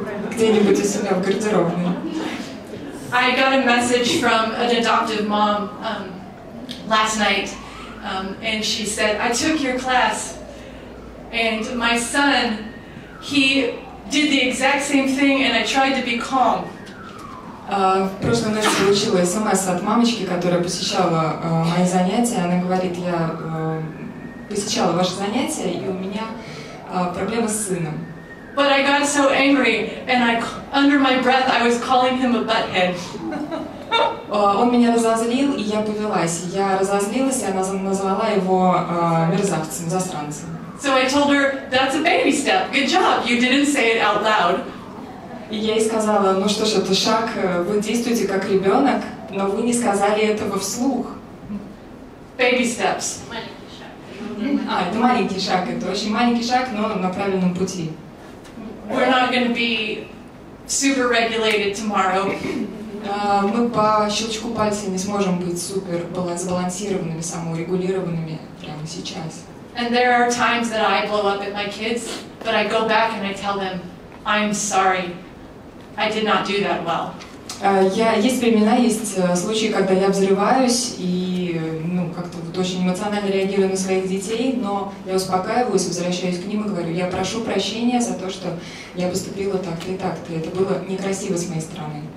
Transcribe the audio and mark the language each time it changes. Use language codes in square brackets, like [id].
[ru] Где-нибудь у себя в гардеробной. [en] I got a message from an adoptive mom last night, and she said, I took your class, and my son, he did the exact same thing, and I tried to be calm. [ru] В прошлую ночь получила смс от мамочки, которая посещала мои занятия. Она говорит, я посещала ваши занятия, и у меня проблемы с сыном. [en] But I got so angry, and I, under my breath, I was calling him a butthead. [ru] Он меня разозлил, и я повелась. Я разозлилась, и она назвала его мерзавцем, засранцем. [en] So I told her, that's a baby step. Good job. You didn't say it out loud. [ru] И я ей сказала, ну что ж, это шаг. Вы действуете как ребенок, но вы не сказали этого вслух. [en] Baby steps. [ru] Маленький шаг. А, это маленький шаг. Это очень маленький шаг, но на правильном пути. [en] We're not going to be super regulated tomorrow. [ru] Мы по щелчку пальца не сможем быть супер сбалансированными, саморегулированными прямо сейчас. [en] And there are times that I blow up at my kids, but I go back and I tell them, I'm sorry, I did not do that well. [ru] Есть времена, есть случаи, когда я взрываюсь и как-то вот очень эмоционально реагирую на своих детей, но я успокаиваюсь, возвращаюсь к ним и говорю, я прошу прощения за то, что я поступила так-то и так-то. Это было некрасиво с моей стороны.